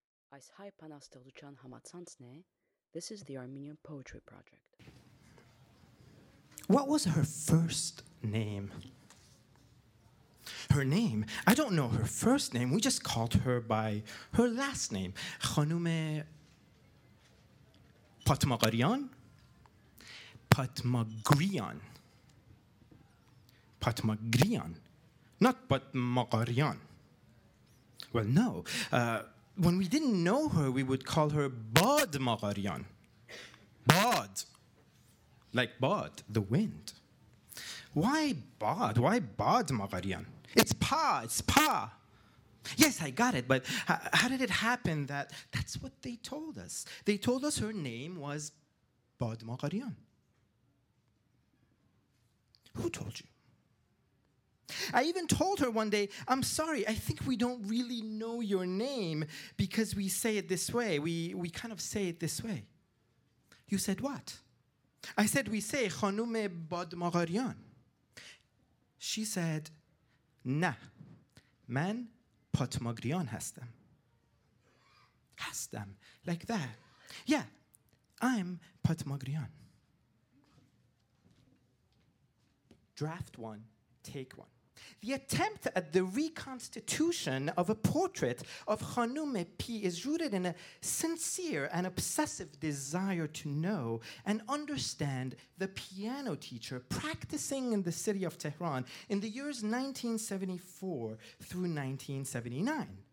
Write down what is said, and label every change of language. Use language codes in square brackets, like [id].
[hy] Այս հայ բանաստեղծության համացանցն է, [en] This is the Armenian Poetry Project. What was her first name? Her name? I don't know her first name. We just called her by her last name. [fa] خانوم پاتماقاریان؟ پاتماگریان. پاتماگریان. [en] Not پاتماقاریان. Well, no. When we didn't know her, we would call her Bad Maqaryan. Bad. Like Bad, the wind. Why Bad? Why Bad Maqaryan? It's Pa, it's Pa. Yes, I got it, but how did it happen that that's what they told us? They told us her name was Bad Maqaryan. Who told you? I even told her one day, I'm sorry, I think we don't really know your name because we say it this way. We kind of say it this way. You said what? I said we say خانوم بادماقاریان. She said, [fa] نه, من پاتماگریان هستم. هستم, [en] like that. Yeah, I'm پاتماگریان. Draft one, take one. The attempt at the reconstitution of a portrait of خانوم P is rooted in a sincere and obsessive desire to know and understand the piano teacher practicing in the city of Tehran in the years 1974 through 1979.